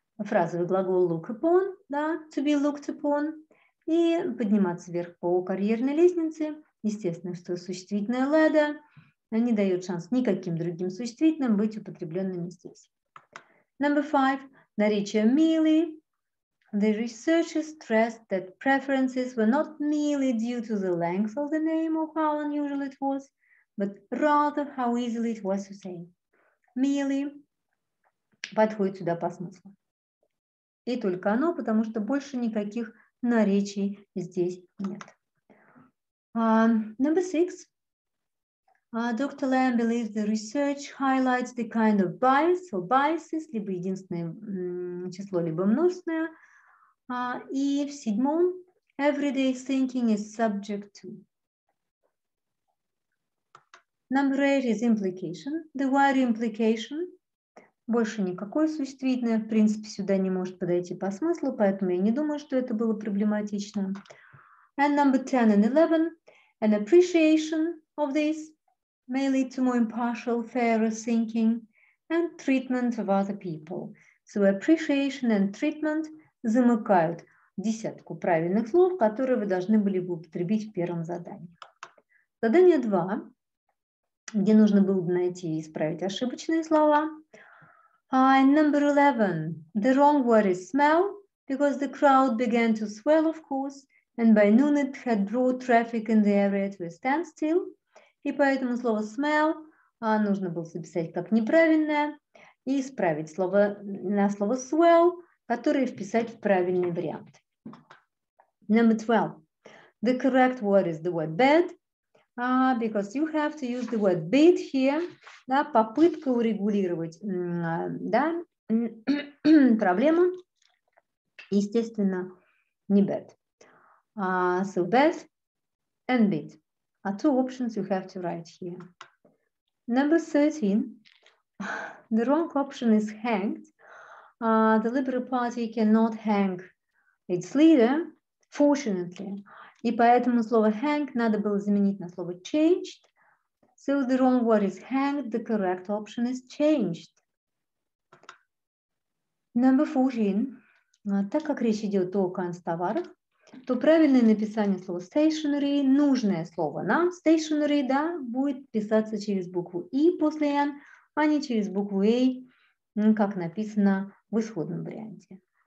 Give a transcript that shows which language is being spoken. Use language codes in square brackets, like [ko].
[ru] Фразовый глагол look upon, да, to be looked upon. И подниматься вверх по карьерной лестнице. Естественно, что существительное ladder не дает шанс никаким другим существительным быть употребленными здесь. [en] Number 5. [ru] Наречие милый. [en] The researchers stressed that preferences were not merely due to the length of the name or how unusual it was, but rather how easily it was to say. [ru] Merely подходит сюда по смыслу. И только оно, потому что больше никаких наречий здесь нет. [en] Number six. Dr. Lamb believes the research highlights the kind of bias or biases, [ru] либо единственное число, либо множественное. И в седьмом, [en] everyday thinking is subject to. Number eight is implication, the wider implication. [ru] Больше никакое существительное, в принципе, сюда не может подойти по смыслу, поэтому я не думаю, что это было проблематично. [en] And number 10 and 11, an appreciation of this may lead to more impartial, fairer thinking and treatment of other people. [ru] So appreciation and treatment замыкают десятку правильных слов, которые вы должны были бы употребить в первом задании. Задание 2, где нужно было бы найти и исправить ошибочные слова. [en] And number 11, the wrong word is smell, because the crowd began to swell, of course, and by noon it had brought traffic in the area to a standstill. [ru] И поэтому слово smell нужно было записать как неправильное и исправить слово на слово swell, которое вписать в правильный вариант. [en] Number 12, the correct word is the word bed. Because you have to use the word bit here, [ru] да, попытка урегулировать, да, проблему, естественно, [en] не bad. So bad and bit are two options you have to write here. Number 13, the wrong option is hanged. The Liberal Party cannot hang its leader, fortunately. [ru] И поэтому слово hang надо было заменить на слово changed. [en] So the wrong word is hanged, the correct option is changed. Number 14. [ru] Так как речь идет о канцтоварах, то правильное написание слова stationary, нужное слово на stationary, да, будет писаться через букву I после N, а не через букву A, как написано в исходном варианте.